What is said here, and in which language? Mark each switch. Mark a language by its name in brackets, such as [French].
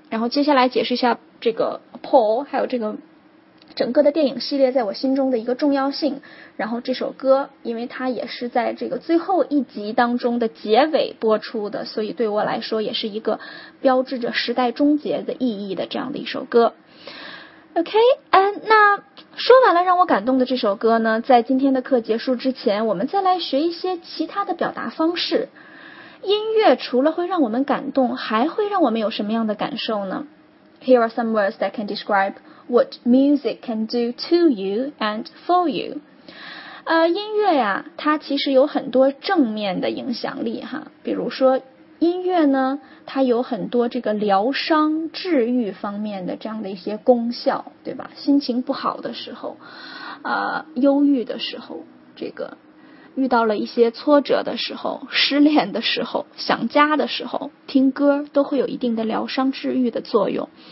[Chinese] 然后接下来解释一下这个 Paul 还有这个整个的电影系列在我心中的一个重要性，然后这首歌因为它也是在这个最后一集当中的结尾播出的，所以对我来说也是一个标志着时代终结的意义的这样的一首歌。 OK, 那说完了让我感动的这首歌呢，在今天的课结束之前我们再来学一些其他的表达方式。音乐除了会让我们感动还会让我们有什么样的感受呢？ [English] Here are some words that can describeWhat music can do to you and for you. [Chinese] 音乐呀，它其实有很多正面的影响力哈。比如说音乐呢，它有很多这个疗伤治愈方面的这样的一些功效，对吧？心情不好的时候忧郁的时候，这个遇到了一些挫折的时候，失恋的时候，想家的时候，听歌都会有一定的疗伤治愈的作用。